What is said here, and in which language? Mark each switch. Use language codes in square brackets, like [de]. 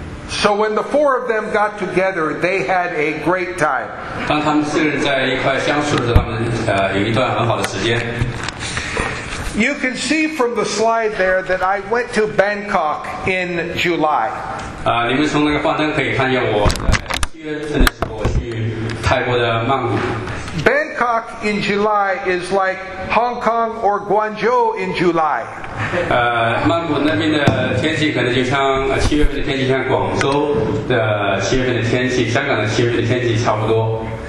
[en] So when the four of them got together, they had a great time. [zh] 当他们四人在一块相处的时候，他们有一段很好的时间。 [en] You can see from the slide there that I went to Bangkok in July. [zh] 你们从那个幻灯可以看见我七月份的时候去泰国的曼谷。 [en] Bangkok in July is like Hong Kong or Guangzhou in July. [zh] 曼谷那边的天气可能就像七月份的天气，像广州的七月份的天气，香港的七月份的天气差不多。